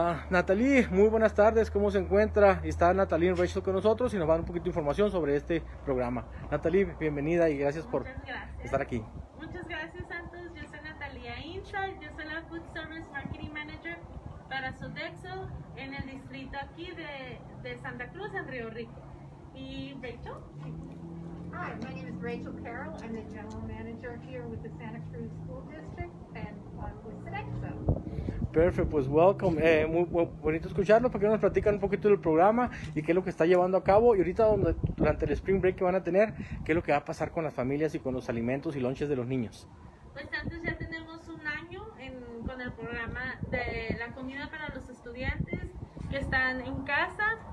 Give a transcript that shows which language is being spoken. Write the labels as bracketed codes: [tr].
[es] Natalie, muy buenas tardes, ¿cómo se encuentra? Está Natalie y Rachel con nosotros y nos van un poquito de información sobre este programa. Natalie, bienvenida y gracias por estar aquí. Muchas gracias, Santos. Yo soy Natalia Incha, yo soy la Food Service Marketing Manager para Sodexo en el distrito aquí de Santa Cruz, en Río Rico. ¿Y Rachel? [en] Hi, my name is Rachel Carroll. I'm the General Manager here with the Santa Cruz School District and [es] Perfecto, pues welcome. Muy bonito escucharlo, porque nos platican un poquito del programa y qué es lo que está llevando a cabo. Y ahorita, durante el spring break que van a tener, qué es lo que va a pasar con las familias y con los alimentos y lonches de los niños. Pues antes ya tenemos un año con el programa de la comida para los estudiantes que están en casa.